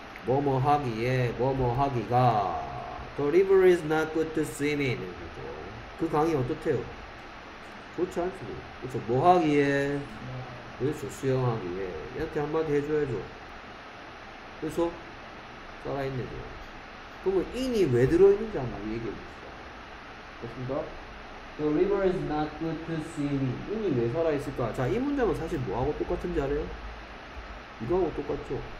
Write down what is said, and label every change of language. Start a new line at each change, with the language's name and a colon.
Korean: 뭐뭐 하기에 뭐뭐 하기가
English: the river is not good to swim in.
Korean: 그 강이 어떻대요? 좋지 않지. 그렇죠. 뭐 하기에 그렇죠. 수영하기에 이렇게 한마디 해줘야죠. 그래서 살아있네. 그러면 in이 왜 들어있는지 한번 얘기해봅시다. 그렇습니다.
English: The river is not good to swim in.
Korean: in이 왜 살아있을까? 자, 이 문장은 사실 뭐하고 똑같은지 알아요? 이거하고 똑같죠.